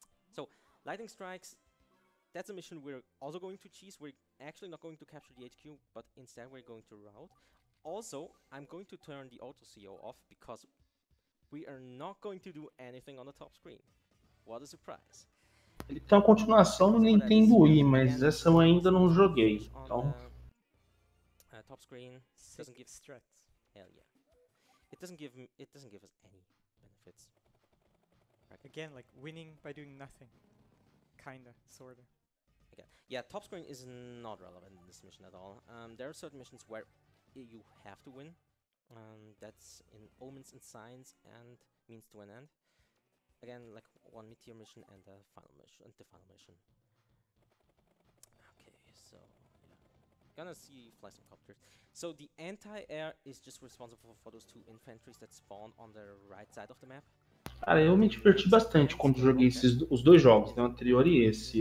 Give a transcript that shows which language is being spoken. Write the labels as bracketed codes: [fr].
[en] So, Lightning Strikes, that's a mission we're also going to cheese. We're actually not going to capture the HQ, but instead we're going to route. Also, I'm going to turn the auto CO off because we are not going to do anything on the top screen. What a surprise. [pt] Ele tem uma continuação no Nintendo Wii, mas essa eu ainda não joguei. Então. [en] Top screen doesn't give strats. Hell yeah. It doesn't give us any benefits. Right. Again, like winning by doing nothing. Kinda, sorta. Again. Yeah, top screen is not relevant in this mission at all. There are certain missions where you have to win. That's in Omens and Signs and Means to an End. Again, like one mid-tier mission and the final mission. Okay, so yeah. Gonna see fly some copters. So the anti-air is just responsible for those 2 infantries that spawn on the right side of the map. [pt] Cara, eu me diverti bastante quando joguei os dois jogos, né, o anterior e esse.